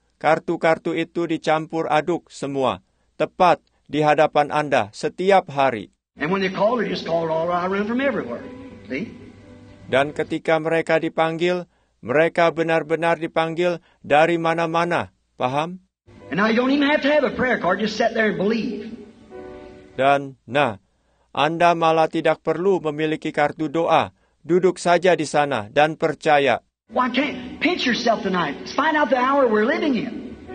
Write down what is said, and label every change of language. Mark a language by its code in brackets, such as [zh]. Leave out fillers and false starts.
[id] Kartu-kartu itu dicampur aduk semua tepat di hadapan Anda setiap hari. [en] And when they call, they just call all around from everywhere. See? [id] Dan ketika mereka dipanggil, mereka benar-benar dipanggil dari mana-mana, paham? [en] And I don't even have to have a prayer card, just sit there and believe. [id] Dan, nah, Anda malah tidak perlu memiliki kartu doa. Duduk saja di sana dan percaya. [en] Why can't pinch yourself tonight? Let's find out the hour we're living in.